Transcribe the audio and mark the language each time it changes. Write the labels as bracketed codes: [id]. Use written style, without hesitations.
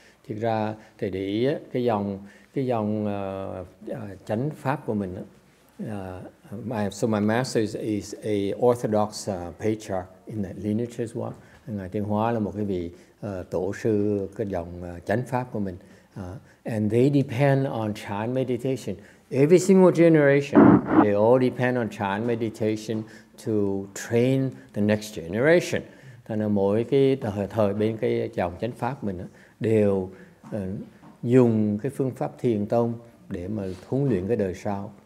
[vi] Thực ra thầy để ý cái dòng chánh pháp của mình [en] my master is a orthodox patriarch in that lineage as well. [vi] Ngài Tiếng Hóa là một cái vị tổ sư cái dòng chánh pháp của mình. [en] And they depend on chan meditation. Every single generation, they all depend on chan meditation to train the next generation. [vi] Thế nên mỗi cái thời bên cái dòng chánh pháp mình đều dùng cái phương pháp thiền tông để mà huấn luyện cái đời sau.